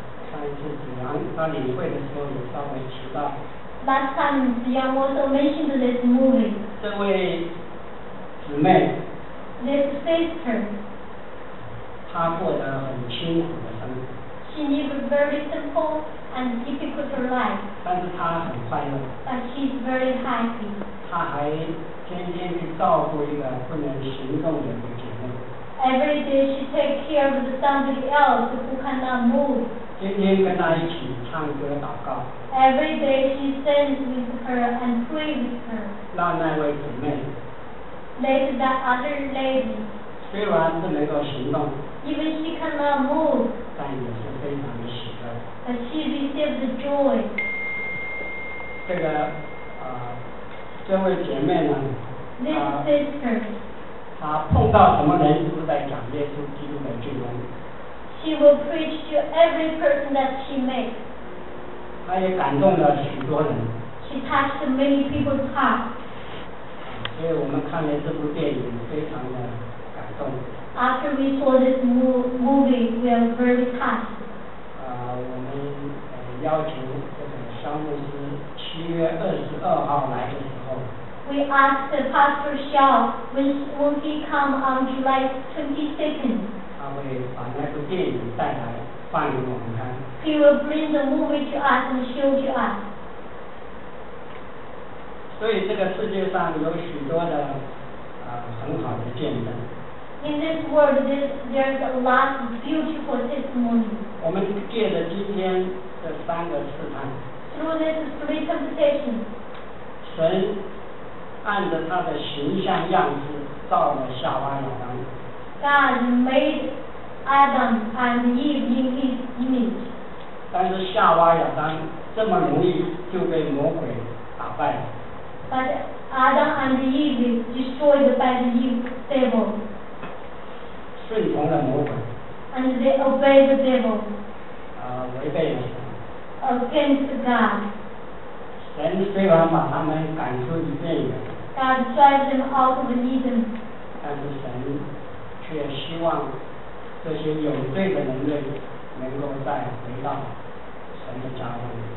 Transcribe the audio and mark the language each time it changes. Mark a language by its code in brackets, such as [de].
[zh] 上一次子阳他领会的时候也稍微提到。 [en] Last time, 子阳 also mentioned this movie. [zh] 这位姊妹。 [en] This sister. [zh] 她过得很清苦的生活。 [en] She lived very simple and difficult life. [zh] 但是她很快乐。 [en] But she's very happy. [zh] 她还天天去照顾一个不能行动的一个姐妹。 [en] Every day she takes care of somebody else who cannot move. [zh] 天天跟她一起唱歌祷告。 [en] Every day she stands with her and prays with her. [zh] 让那位姊妹。 [en] Let the other lady. [zh] 虽然不能够行动。 [en] Even she cannot move. [zh] 但也是非常的喜乐。 [en] But she received the joy. [zh] 这个这位姐妹呢。 [en] This sister. [zh] 她碰到什么人都在讲耶稣基督的救恩。 [en] She will preach to every person that she met. [zh] 她也感动了许多人。 [en] She touched many people's heart. [zh] 所以我们看了这部电影非常的感动。 [en] After we saw this movie, we are very touched. [zh] 我们邀请这个肖牧师七月二十二号来的时候。 [en] We asked the pastor Xiao when he come on July 22nd. [zh] 他会把那部电影带来放给我们看。 [en] He will bring the movie to us and show to us. [zh] 所以这个世界上有许多的很好的见证。 [en] In this world, there is a lot of beautiful testimony. [zh] 我们借着今天的三个试探。 [en] Through this three temptations. [zh] 神按着他的形象样式造了夏娃亚当。 [en] God made Adam and Eve in His image. [zh] 但是夏娃亚当这么容易就被魔鬼打败了。 [en] But Adam and Eve destroyed by the devil. [zh] 顺从了魔鬼。 [en] And they obey the devil. [zh] 违背了神。 [en] Against God. [zh] 神虽然把他们赶出伊甸园。 [en] God drives them out of Eden. [zh] 但是神却希望这些有罪的人类能够再回到神的家中。